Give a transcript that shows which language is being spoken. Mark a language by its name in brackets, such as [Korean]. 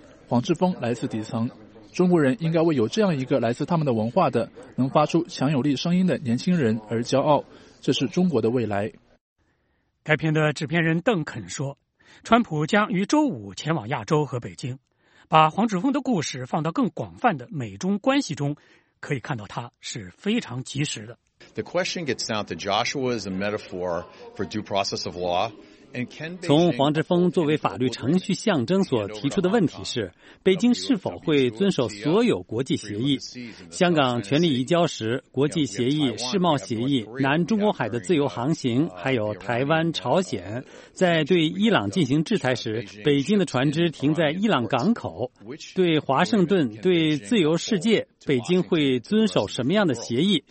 [Chinese] 黄之锋来自底层，中国人应该为有这样一个来自他们的文化的能发出强有力声音的年轻人而骄傲，这是中国的未来。该片的制片人邓肯说，川普将于周五前往亚洲和北京，把黄志峰的故事放到更广泛的美中关系中，可以看到它是非常及时的。 [English] The question gets down to Joshua as a metaphor for due process of law. [Chinese] 从黄之锋作为法律程序象征所提出的问题是，北京是否会遵守所有国际协议？香港权力移交时，国际协议、世贸协议、南中国海的自由航行，还有台湾、朝鲜，在对伊朗进行制裁时，北京的船只停在伊朗港口，对华盛顿、对自由世界，北京会遵守什么样的协议？